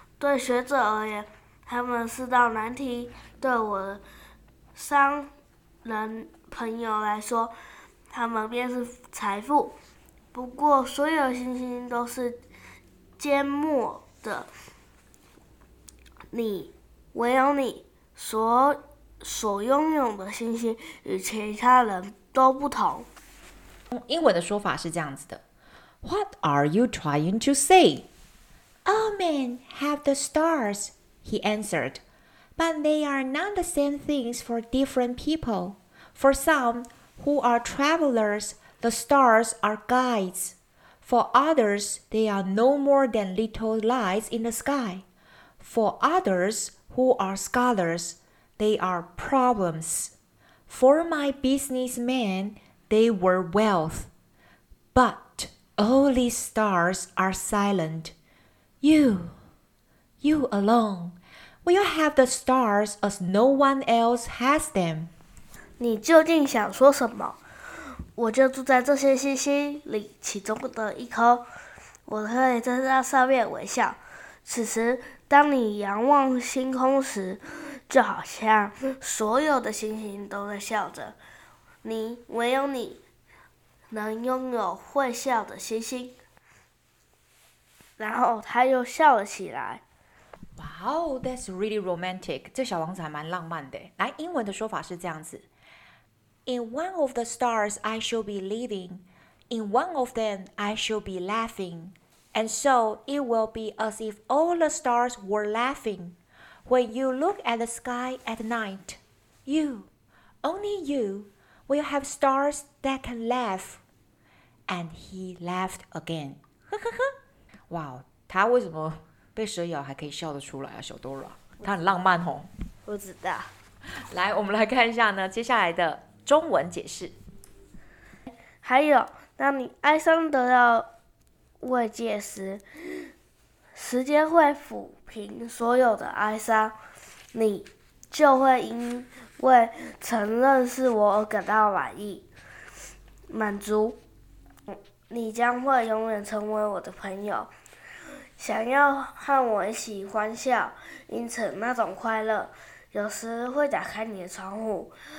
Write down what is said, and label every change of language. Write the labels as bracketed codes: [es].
[zh] 对学者而言，他们是道难题；对我的商人朋友来说，他们便是财富。不过，所有星星都是缄默的。你，唯有你所拥有的星星与其他人都不同。英文的说法是这样子的 [en] What are you trying to say? All men have the stars, he answered. But they are not the same things for different people. For some who are travelers, the stars are guides. For others, they are no more than little lights in the sky. For others who are scholars, they are problems. For my businessmen,They were wealth, but all these stars are silent. You alone, will have the stars as no one else has them. [zh] 你究竟想说什么？我就住在这些星星里其中的一颗，我可以在那上面微笑。此时，当你仰望星空时，就好像所有的星星都在笑着。你唯有你能拥有会笑的星星，然后他又笑了起来。 [en] Wow, that's really romantic. [zh] 这小王子还蛮浪漫的。来，英文的说法是这样子 [en] ：In one of the stars, I shall be living. In one of them, I shall be laughing. And so it will be as if all the stars were laughing. When you look at the sky at night, you, only you. We'll have stars that can laugh. And he laughed again. 呵呵呵。 [zh] 哇，他为什么被蛇咬还可以笑得出来啊，小 Dora？他很浪漫哦。不知道。来，我们来看一下呢，接下来的中文解释。还有，当你哀伤得到慰藉时，时间会抚平所有的哀伤，你就会因为承认是我而感到满意、满足，你将会永远成为我的朋友，想要和我一起欢笑，因此那种快乐有时会打开你的窗户。